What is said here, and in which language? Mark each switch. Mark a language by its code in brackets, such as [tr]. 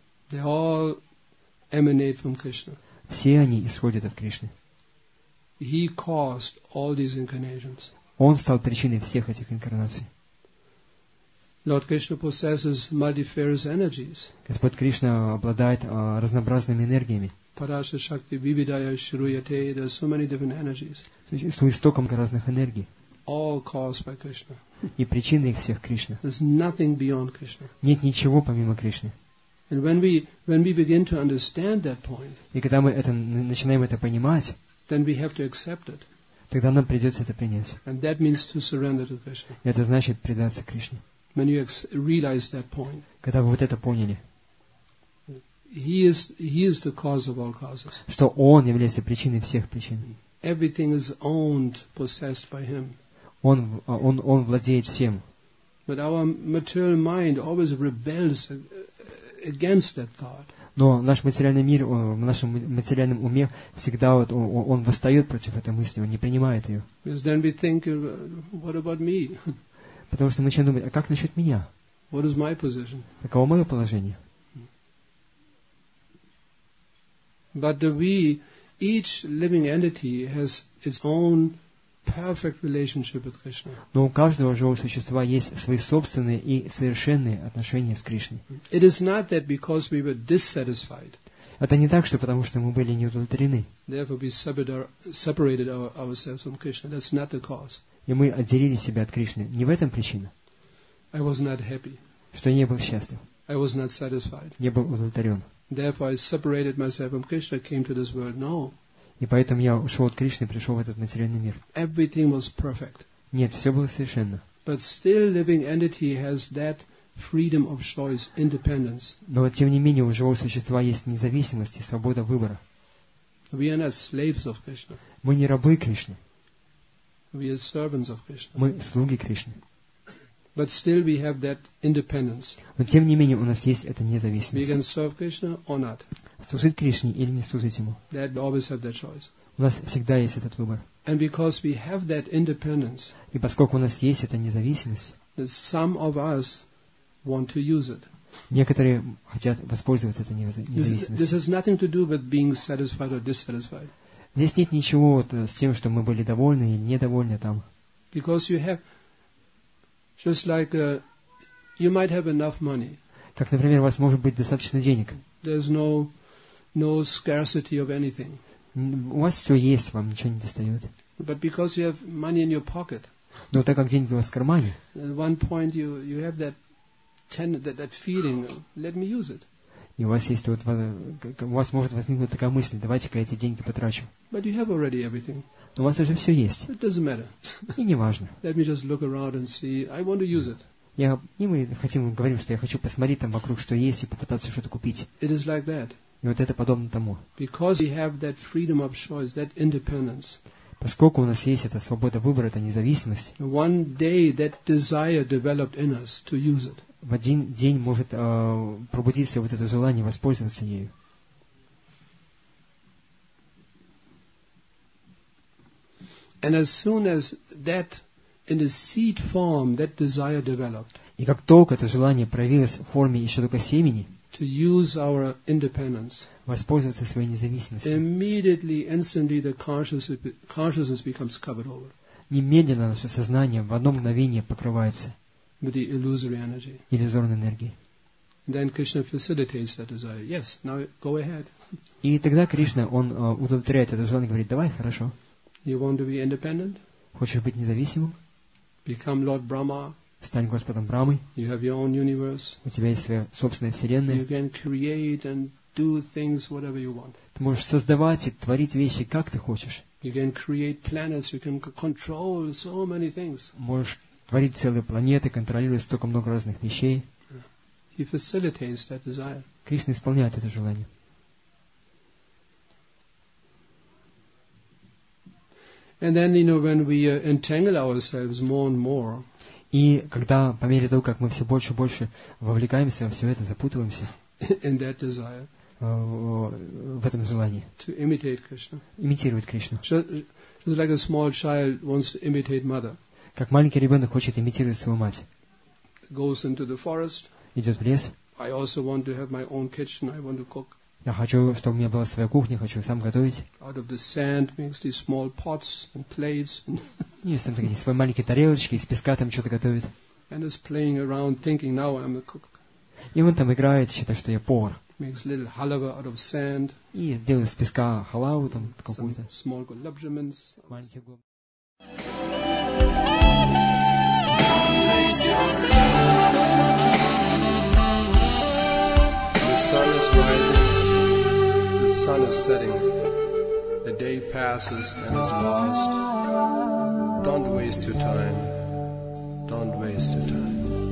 [en] They all emanate from Krishna. [ru] Все они исходят от Кришны. [en] He caused all these incarnations. [ru] Он стал причиной всех этих инкарнаций. [en] Lord Krishna possesses multifarious energies. [ru] Господь Кришна обладает разнообразными энергиями. [sa] Parasha Shakti, Vividaya, Shruyate, [en] there are so many different energies. [ru] Существует столько разных энергий. [en] All caused by Krishna. [ru] И причина их всех Кришна. [en] There's nothing beyond Krishna. [ru] Нет ничего помимо Кришны. [en] And when we begin to understand that point, [ru] и когда мы это, начинаем это понимать, [en] then we have to accept it. [ru] Тогда нам придется это принять. [en] And that means to surrender to Krishna. [ru] И это значит предаться Кришне. [en] When you realize that point, [ru] когда вы вот это поняли, [en] he is the cause of all causes. [ru] Что Он является причиной всех причин. [en] Everything is owned, possessed by Him. [ru] Он владеет всем. [en] But our material mind always rebels against that thought. [ru] Но наш материальный мир, в нашем материальном уме всегда вот он восстает против этой мысли, он не принимает ее. [en] Because then we think, what about me? [ru] Потому что мы начинаем думать, а как насчет меня? [en] What is my position? [ru] Каково мое положение? [en] But each living entity has its own perfect relationship with Krishna. [ru] Но у каждого живого существа есть свои собственные и совершенные отношения с Кришной. [en] It is not that because we were dissatisfied. [ru] Это не так, что потому что мы были не удовлетворены. [en] Therefore we separated ourselves from Krishna. That's not the cause. [ru] И мы отделили себя от Кришны. Не в этом причина. [en] I was not happy. [ru] Что я не был счастлив. [en] I was not satisfied. [ru] Не был удовлетворен. [en] Therefore I separated myself from Krishna, came to this world. No. [ru] И поэтому я ушел от Кришны и пришел в этот материальный мир. [en] Everything was perfect. [ru] Нет, все было совершенно. [en] But still living entity has that freedom of choice, independence. [ru] Но тем не менее у живого существа есть независимость и свобода выбора. [en] We are not slaves of Krishna. [ru] Мы не рабы Кришны. [en] We are servants of Krishna. [ru] Мы слуги Кришны. [en] But still we have that independence. [ru] Но тем не менее у нас есть эта независимость. [en] We can serve Krishna or not. [ru] Служить Кришне или не служить ему. [en] That we always have that choice. [ru] У нас всегда есть этот выбор. [en] And because we have that independence. [ru] И поскольку у нас есть эта независимость. [en] Some of us want to use it. [ru] Некоторые хотят воспользоваться этой независимостью. [en] This has nothing to do with being satisfied or dissatisfied. [ru] Здесь нет ничего с тем, что мы были довольны или недовольны там. [en] Because you have, just like you might have enough money. [ru] Как, например, у вас может быть достаточно денег. [en] There's no scarcity of anything. [ru] У вас все есть, вам ничего не достает. [en] But because you have money in your pocket. [ru] Но так как деньги у вас в кармане. [en] At one point you have that feeling. Let me use it. [ru] И у вас есть вот у вас может возникнуть такая мысль: давайте-ка эти деньги потрачу. [en] But you have already everything. [ru] Но у вас уже все есть. [en] It doesn't matter. [ru] И не важно. [en] Let me just look around and see. I want to use it. [ru] Мы говорим, что я хочу посмотреть там вокруг, что есть, и попытаться что-то купить. [en] It is like that. [ru] И вот это подобно тому. [en] Because we have that freedom of choice, that independence. [ru] Поскольку у нас есть эта свобода выбора, эта независимость. [en] One day that desire developed in us to use it. [ru] В один день может пробудиться вот это желание воспользоваться ею. [en] And as soon as that in the seed form that desire developed. [ru] И как только это желание проявилось в форме еще только семени. [en] To use our independence. [ru] Воспользоваться своей независимостью. [en] Immediately, instantly, the consciousness becomes covered over. [ru] Немедленно наше сознание в одно мгновение покрывается. [en] With the illusory energy. [ru] Иллюзорной энергией. [en] Then Krishna facilitates that desire. Yes, now go ahead. [ru] И тогда Кришна, он удовлетворяет это желание, говорит: давай, хорошо. [en] You want to be independent? [ru] Хочешь быть независимым? [en] Become Lord Brahma. [ru] Стань Господом Брамой. [en] You have your own universe. [ru] У тебя есть своя собственная вселенная. [en] You can create and do things whatever you want. [ru] Ты можешь создавать и творить вещи, как ты хочешь. [en] You can create planets. You can control so many things. [ru] Можешь творить целые планеты, контролируя столько много разных вещей. [en] He facilitates that desire. [ru] Кришна исполняет это желание. [en] And then, you know, when we entangle ourselves more and more. [ru] И когда, по мере того, как мы все больше и больше вовлекаемся во все это, запутываемся [en] in that desire, [ru] в этом желании [en] to imitate Krishna. [ru] Имитировать Кришну. [en] Just like a small child wants to imitate mother. [ru] Как маленький ребенок хочет имитировать свою мать. [en] Goes into the forest. [ru] Идет в лес. [en] I also want to have my own kitchen. I want to cook. [ru] Я хочу, чтобы у меня была своя кухня, хочу сам готовить. [en] Out of the sand makes these small pots and plates. [ru] Есть там такие свои маленькие тарелочки, из песка там что-то готовит. [en] And is playing around, thinking now I'm a cook. [ru] И он там играет, считает, что я повар. [en] Makes little halava out of sand. [ru] И делает из песка халаву там какую-то. [en] Some small gulabjamins. The sun is setting, the day passes and is lost. Don't waste your time, don't waste your time.